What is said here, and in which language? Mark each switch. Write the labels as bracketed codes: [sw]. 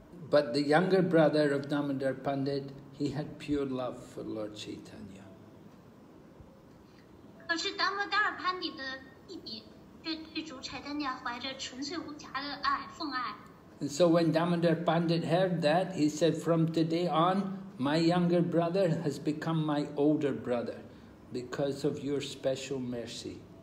[en] But the younger brother of Damodar Pandit, he had pure love for Lord Chaitanya. [zh] 可是达摩达尔潘迪的弟弟却对主柴丹尼亚怀着纯粹无瑕的爱，奉爱。 [en] And so when Damodar Pandit heard that, he said, from today on,My younger brother has become my older brother because of your special mercy.